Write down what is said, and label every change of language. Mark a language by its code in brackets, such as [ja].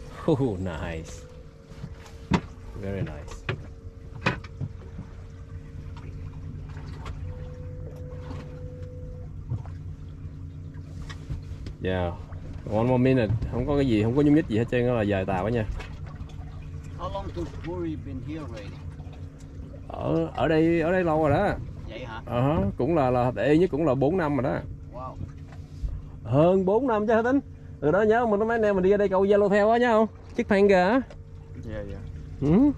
[en] Oh, nice. Very nice. Yeah. One more minute. [vi] Không có cái gì, không có nhúm nhít gì hết trơn đó là dài tàu đó nha. [en] How long has Bury been here already? [vi] Ở đây lâu rồi đó. Vậy hả? Ờ, cũng là để nhất cũng là 4 năm rồi đó. [en] Wow. [vi] Hơn 4 năm chứ hả tính? Ừ đó nhớ mình mấy anh em mình đi ra đây câu yellow tail á nhớ không? Chiếc panga á. [en] Yeah. [vi] Ừ.